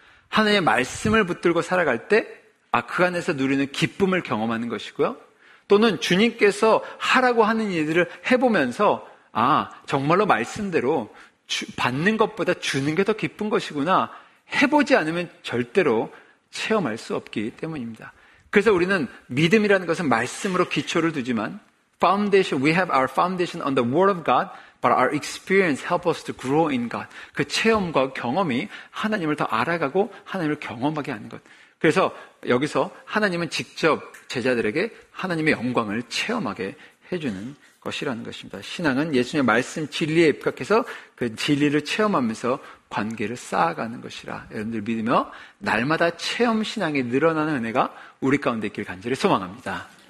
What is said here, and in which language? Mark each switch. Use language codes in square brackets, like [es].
[ko] 하나님의 말씀을 붙들고 살아갈 때 그 안에서 누리는 기쁨을 경험하는 것이고요. 또는 주님께서 하라고 하는 일들을 해보면서 정말로 말씀대로 받는 것보다 주는 게 더 기쁜 것이구나. 해보지 않으면 절대로 체험할 수 없기 때문입니다. 그래서 우리는 믿음이라는 것은 말씀으로 기초를 두지만 [en] foundation, we have our foundation on the word of God. But our experience help us to grow in God. [ko] 그 체험과 경험이 하나님을 더 알아가고 하나님을 경험하게 하는 것. 그래서 여기서 하나님은 직접 제자들에게 하나님의 영광을 체험하게 해주는 것이라는 것입니다. 신앙은 예수님의 말씀 진리에 입각해서 그 진리를 체험하면서 관계를 쌓아가는 것이라 여러분들 믿으며 날마다 체험 신앙이 늘어나는 은혜가 우리 가운데 있길 간절히 소망합니다.